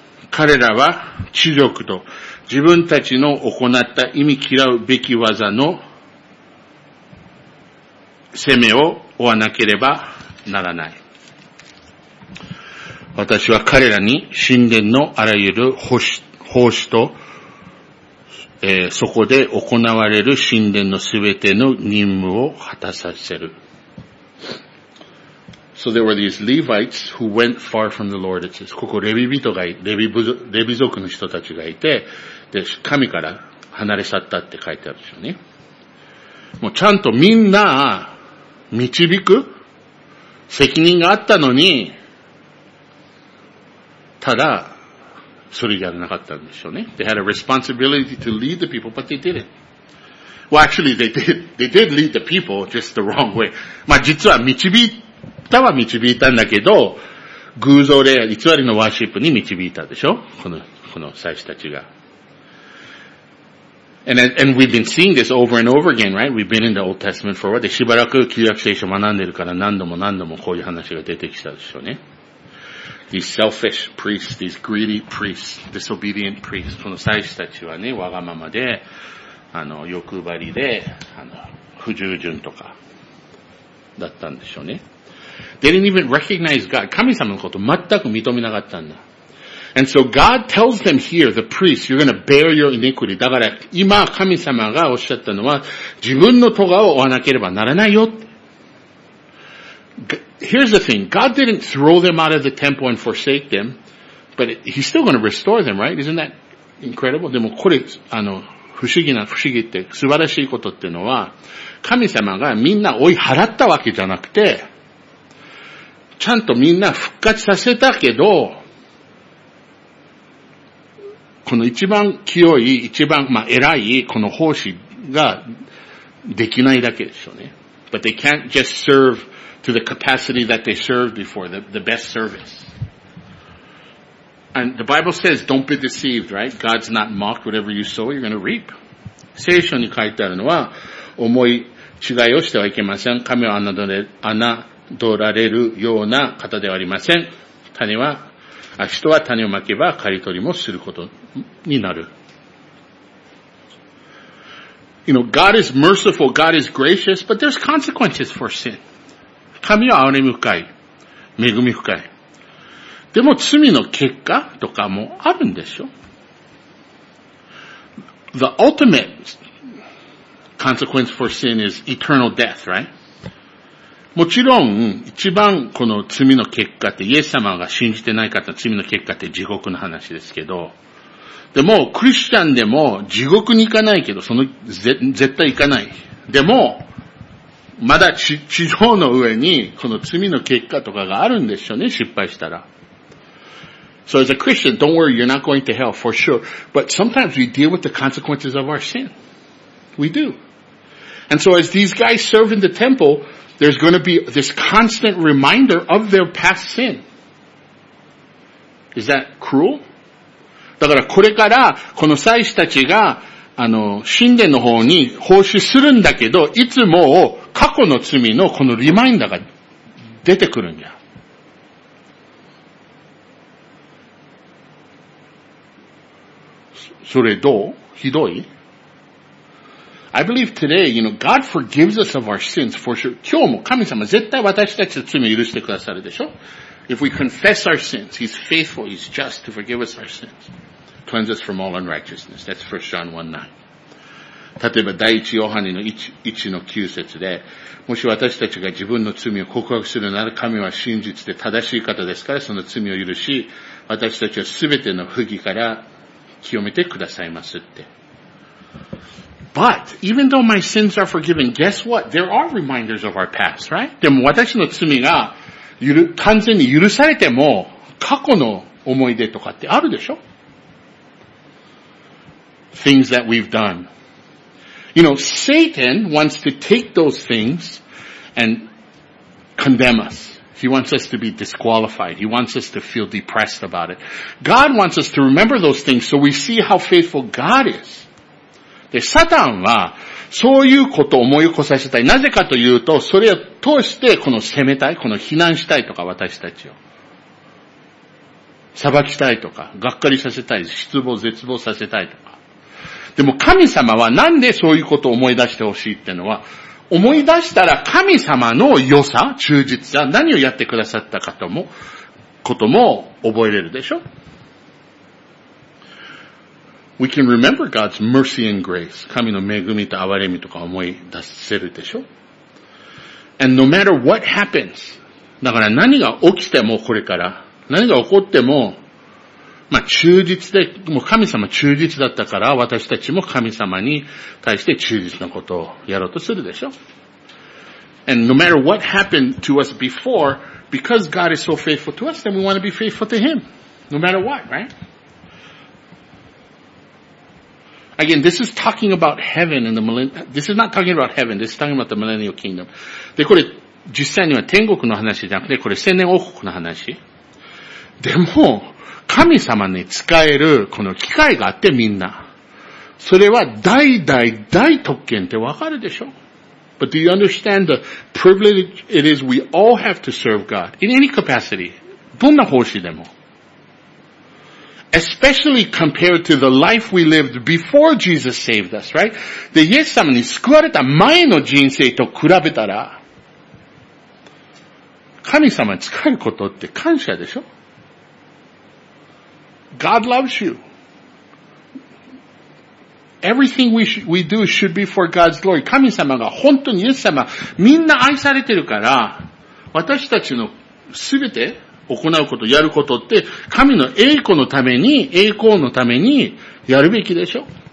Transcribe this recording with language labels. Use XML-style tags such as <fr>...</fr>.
<ja>彼らは知力と自分たちの行った忌み嫌うべき技の責めを負わなければならない。私は彼らに神殿のあらゆる奉仕と、そこで行われる神殿のすべての任務を果たさせる。</ja> <en>So there were these Levites who went far from the Lord. It says,</en> <ja>ここレビ人がレビ族の人たちがいて、で、神から離れ去ったって書いてあるでしょうね。もうちゃんとみんな導く責任があったのに、ただ、それやらなかったんでしょうね。</ja> <en>They had a responsibility to lead the people, but they didn't. Well, actually, they did lead the people, just the wrong way.</en> <ja>まあ実は導いたんだけど、偶像で偽りのワーシップに導いたでしょ、この祭司たちが。</ja> <en>And we've been seeing this over and over again, right? We've been in the Old Testament for a while.</en> <ja>で、しばらく旧約聖書を学んでるから何度も何度もこういう話が出てきたでしょうね。</ja> <en>These selfish priests, these greedy priests, disobedient priests.</en> <ja>この祭司たちはね、わがままで、欲張りで、不従順とか、だったんでしょうね。</ja> <en>They didn't even recognize God.</en> <ja>神様のこと全く認めなかったんだ。</ja> <en>And so God tells them here, the priest, you're going to bear your iniquity.</en> <ja>だから今神様がおっしゃったのは自分の咎を負わなければならないよ。</ja> <en>Here's the thing. God didn't throw them out of the temple and forsake them, but he's still going to restore them, right? Isn't that incredible?</en> <ja>でもこれ、不思議って素晴らしいことっていうのは、神様がみんな追い払ったわけじゃなくて、ちゃんとみんな復活させたけど、この一番清い、一番、まあ、偉い、この奉仕ができないだけですよね。</ja> <en>But they can't just serve to the capacity that they served before, the best service. And the Bible says, don't be deceived, right? God's not mocked, whatever you sow, you're gonna reap.</en> <ja>聖書に書いてあるのは、思い違いをしてはいけません。神は侮られるような方ではありません。人は種をまけば刈り取りもすることになる。</ja> <en>You know, God is merciful, God is gracious, but there's consequences for sin.</en> <ja>神は憐み深い、恵み深い。でも罪の結果とかもあるんでしょ。</ja> <en>The ultimate consequence for sin is eternal death, right?</en> <ja>もちろん、一番この罪の結果って、イエス様が信じてない方の罪の結果って地獄の話ですけど、でも、クリスチャンでも地獄に行かないけど、絶対行かない。でも、まだ地上の上にこの罪の結果とかがあるんでしょうね、失敗したら。</ja> <en>So as a Christian, don't worry, you're not going to hell for sure. But sometimes we deal with the consequences of our sin. We do. And so as these guys serve in the temple,There's going to be this constant reminder of their past sin. Is that cruel?</en> <ja>だからこれからこの祭司たちが神殿の方に奉仕するんだけど、いつも過去の罪のこのリマインダーが出てくるんじゃ。それどう？ひどい？</ja> <en>I believe today, you know, God forgives us of our sins for sure.</en> <ja>今日も神様絶対私たちの罪を許してくださるでしょ？</ja> <en>If we confess our sins, He's faithful, He's just to forgive us our sins. Cleanse us from all unrighteousness. That's 1 John 1:9.</en> <ja>例えば第一ヨハネの 1-9節で、もし私たちが自分の罪を告白するなら神は真実で正しい方ですからその罪を許し、私たちは全ての不義から清めてくださいますって。</ja> <en>But, even though my sins are forgiven, guess what? There are reminders of our past, right?</en> <ja>でも私の罪が完全に許されても、過去の思い出とかってあるでしょ？</ja> <en>Things that we've done. You know, Satan wants to take those things and condemn us. He wants us to be disqualified. He wants us to feel depressed about it. God wants us to remember those things so we see how faithful God is.</en> <ja>で、サタンは、そういうことを思い起こさせたい。なぜかというと、それを通して、この責めたい、この非難したいとか、私たちを。裁きたいとか、がっかりさせたい、失望、絶望させたいとか。でも神様は、なんでそういうことを思い出してほしいっていうのは、思い出したら神様の良さ、忠実さ、何をやってくださったかとも、ことも覚えれるでしょ。</ja> <en>We can remember God's mercy and grace.</en> <ja>神の恵みと憐れみとか思い出せるでしょ。</ja> <en>And no matter what happens,</en> <ja>だから何が起きてもこれから、何が起こっても、まあ忠実で、もう神様忠実だったから、私たちも神様に対して忠実なことをやろうとするでしょ。</ja> <en>And no matter what happened to us before, because God is so faithful to us, then we want to be faithful to Him. No matter what, right? Again, this is talking about heaven and the millennial, this is not talking about heaven, this is talking about the millennial kingdom.</en> <ja>で、これ、実際には天国の話じゃなくて、これ、千年王国の話。でも、神様に使えるこの機会があってみんな。それは代々大特権ってわかるでしょ。</ja> <en>But do you understand the privilege it is we all have to serve God in any capacity?</en> <ja>どんな奉仕でも。</ja> <en>Especially compared to the life we lived before Jesus saved us, right?</en> <ja>で、イエス様に救われた前の人生と比べたら、神様に使えることって感謝でしょ？</ja> <en>God loves you. Everything we do should be for God's glory.</en> <ja>神様が本当にイエス様、みんな愛されてるから、私たちのすべて、行うこと、やることって、神の栄光のために、栄光のために、やるべきでしょ。</ja>